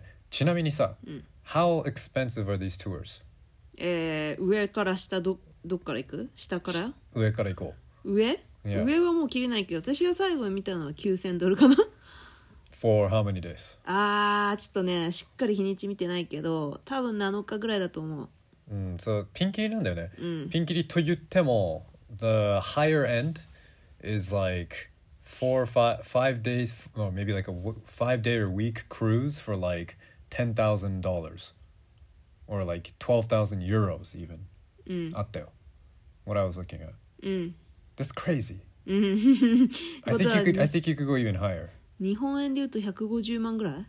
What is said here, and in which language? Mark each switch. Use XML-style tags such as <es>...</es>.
<ja>ちなみにさ、</ja> <en>how expensive are these tours?</en> <ja>上から下どっから行く？下から？上から行こう。上？Yeah. 上はもう切れないけど、私が最後に見たのは9000ドルかな。</ja> <en>For how many days?</en> <ja>ああ、ちょっとね、しっかり日にち見てないけど、多分7日ぐらいだと思う。そう、ピンキリなんだよね。うん、ピンキリと言っても、</ja> <en>the higher end is like five days, or maybe like a 5 day or week cruise for like $10,000 or like 12,000 euros even. What I was looking at. That's crazy. I think you could go even higher.</en> <ja>日本円で言うと150万ぐらい？</ja>